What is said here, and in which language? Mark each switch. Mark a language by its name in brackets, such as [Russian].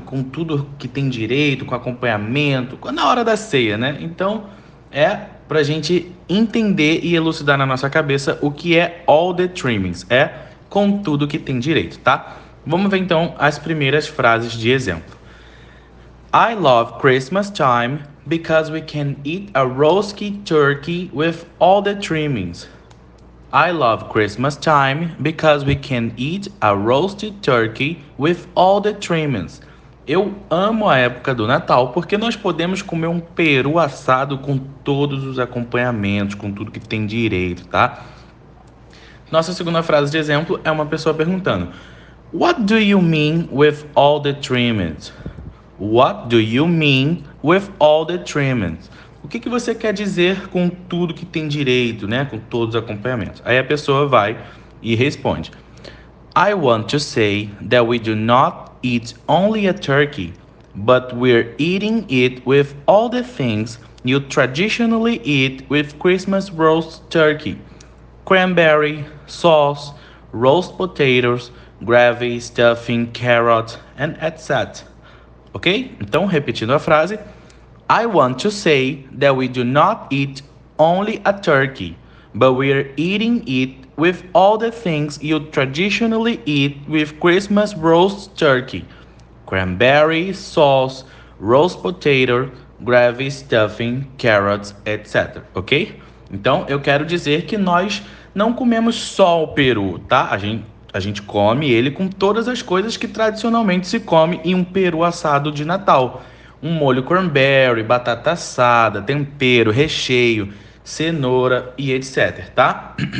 [Portuguese] Com tudo que tem direito, com acompanhamento, na hora da ceia, né? Então, é para a gente entender e elucidar na nossa cabeça o que é all the trimmings. É com tudo que tem direito, tá? Vamos ver então as primeiras frases de exemplo. [English] I love Christmas time because we can eat a roasted turkey with all the trimmings. I love Christmas time because we can eat a roasted turkey with all the trimmings. [Portuguese] Eu amo a época do Natal porque nós podemos comer um peru assado com todos os acompanhamentos, com tudo que tem direito, tá? Nossa segunda frase de exemplo é uma pessoa perguntando: [English] What do you mean with all the trimmings? What do you mean with all the trimmings? [Portuguese] O que que você quer dizer com tudo que tem direito, né? Com todos os acompanhamentos. Aí a pessoa vai e responde: [English] I want to say that we do not eat only a turkey, but we're eating it with all the things you traditionally eat with Christmas roast turkey: cranberry, sauce, roast potatoes, gravy, stuffing, carrot, and etc. Ok? [Portuguese] Então, repetindo a frase: [English] I want to say that we do not eat only a turkey, but we are eating it with all the things you traditionally eat with Christmas roast turkey: cranberry, sauce, roast potato, gravy, stuffing, carrots, etc. Ok? [Portuguese] Então, eu quero dizer que nós não comemos só o peru, tá? A gente come ele com todas as coisas que tradicionalmente se come em um peru assado de Natal. Um molho cranberry, batata assada, tempero, recheio, cenoura e etc, tá?